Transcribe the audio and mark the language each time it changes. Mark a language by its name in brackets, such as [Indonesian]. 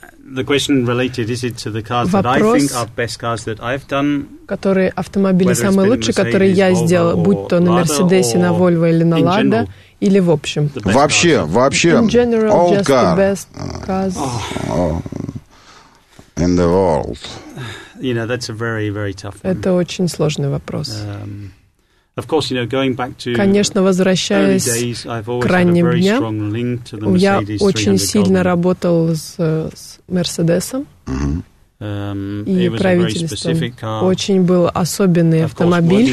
[English] The question related, is it to the cars that I think are best cars that I've done? [Russian] Которые автомобили самые лучшие, которые я сделал, будь то на Мерседесе, на Вольво или на Ладо, или в общем? Вообще, вообще, [English] in general, all just car. The best cars. In the world. You know, that's a very, very tough one. [Russian] Это очень сложный вопрос. [English] Of course, you know, going back to [Russian] конечно, возвращаясь [English] days, [Russian] к ранним дням, я очень сильно работал с Мерседесом и правительством. Очень был особенный автомобиль.